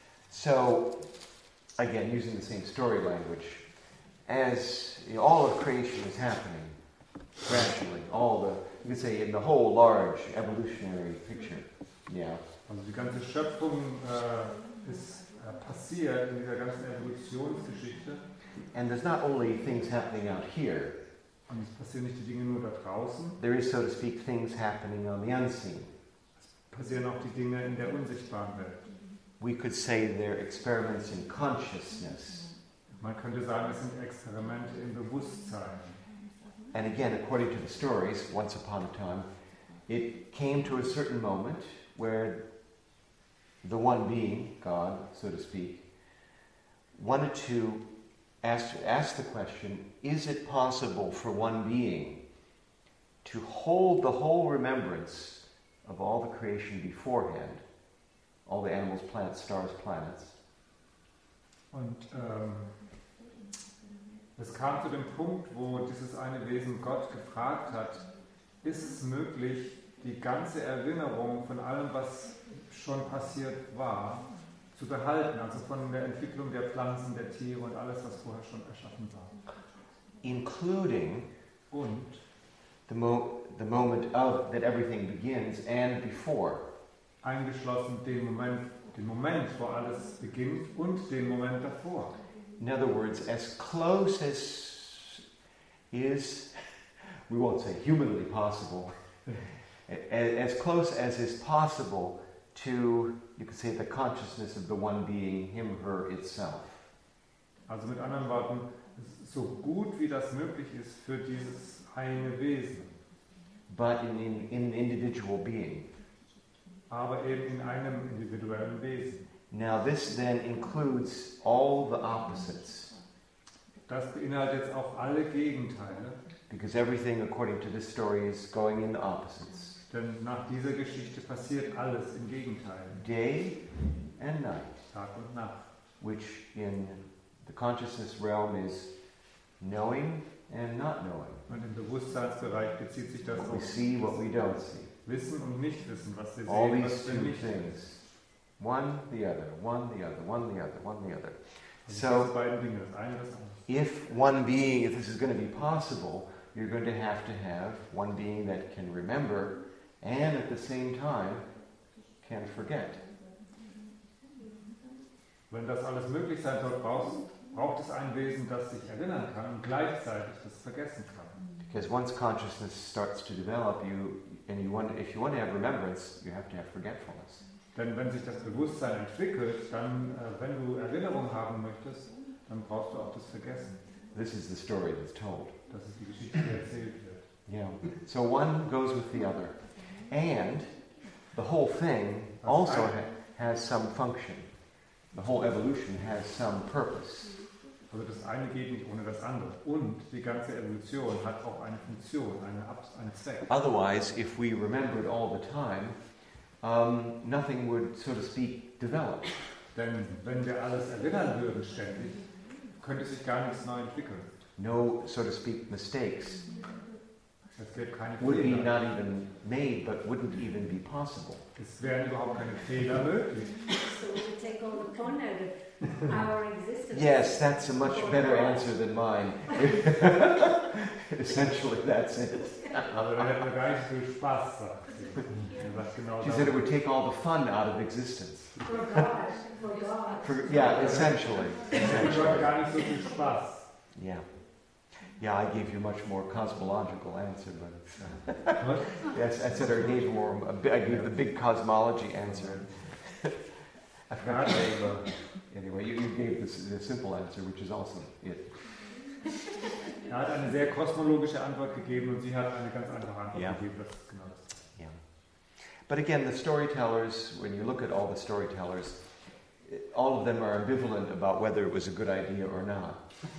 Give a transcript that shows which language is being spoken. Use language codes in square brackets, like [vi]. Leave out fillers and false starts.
[en] So, again, using the same story language, as all of creation is happening gradually, you could say in the whole large evolutionary picture. Yeah. [de] Also die ganze Schöpfung ist passiert in dieser ganzen Evolutionsgeschichte. [en] And there's not only things happening out here. [de] Und es passieren nicht die Dinge nur da draußen. [en] There is, so to speak, things happening on the unseen. [de] Es passieren auch die Dinge in der unsichtbaren Welt. [en] We could say they're experiments in consciousness. [de] Man könnte sagen, es sind Experimente im Bewusstsein. [en] And again, according to the stories, once upon a time, it came to a certain moment where the one being, God, so to speak, wanted to ask the question, is it possible for one being to hold the whole remembrance of all the creation beforehand, all the animals, plants, stars, planets? [de] Und es kam zu dem Punkt, wo dieses eine Wesen Gott gefragt hat, ist es möglich, die ganze Erinnerung von allem, was schon passiert war, zu behalten, also von der Entwicklung der Pflanzen, der Tiere und alles, was vorher schon erschaffen war. [en] Including [de] und [en] the moment of that everything begins and before. [de] Eingeschlossen den Moment, wo alles beginnt und den Moment davor. [en] In other words, as close as is, we won't say humanly possible, as close as is possible to, you could say, the consciousness of the one being, him, her, itself. [de] Also mit anderen Worten, so gut wie das möglich ist für dieses eine Wesen. [en] But in individual being. [de] Aber eben in einem individuellen Wesen. [en] Now this then includes all the opposites. [de] Das beinhaltet jetzt auch alle Gegenteile. [en] Because everything according to this story is going in the opposites. [de] Denn nach dieser Geschichte passiert alles im Gegenteil. [en] Day and night. [de] Tag und Nacht. [en] Which in the consciousness realm is knowing and not knowing. [de] Und im Bewusstseinsbereich bezieht sich das auf Wissen und Nichtwissen, was wir sehen, was wir nicht sehen. [en] One, the other, one, the other, one, the other, one, the other. So, if one being, if this is going to be possible, you're going to have one being that can remember and at the same time can forget. [de] Wenn das alles möglich sein soll, braucht es ein Wesen, das sich erinnern kann und gleichzeitig das vergessen kann. [en] Because once consciousness starts to develop, if you want to have remembrance, you have to have forgetfulness. [de] Denn wenn sich das Bewusstsein entwickelt, dann, wenn du Erinnerung haben möchtest, dann brauchst du auch das Vergessen. [en] This is the story that's told. [de] Das ist die Geschichte, die erzählt wird. [en] Yeah. So one goes with the other. And the whole thing also has some function. The whole evolution has some purpose. [de] Also das eine geht nicht ohne das andere. Und die ganze Evolution hat auch eine Funktion, einen Zweck. [en] Otherwise, if we remembered all the time, nothing would, so to speak, develop. [de] Denn wenn wir alles erinnern würden ständig, könnte sich gar nichts neu entwickeln. [en] No, so to speak, mistakes. [de] Es gäbe keine Fehler. [en] Would be not even made, but wouldn't even be possible. [de] Es wären überhaupt keine Fehler möglich. [en] So we could take all the fun out of our existence. Yes, that's a much better answer than mine. Essentially, that's it. [de] Aber wir hätten gar nicht viel Spaß, sagt sie. [en] She said it would take all the fun out of existence. For God. Yeah, essentially. Yeah. Yeah, I gave you a much more cosmological answer, but it's yes, I said I gave more. I gave the big cosmology answer. I forgot to say, but anyway, you gave the simple answer, which is also it. [de] Er hat eine sehr kosmologische Antwort gegeben und sie hat eine ganz einfache Antwort gegeben. Das ist genau das. [en] But again, the storytellers, when you look at all the storytellers, all of them are ambivalent about whether it was a good idea or not.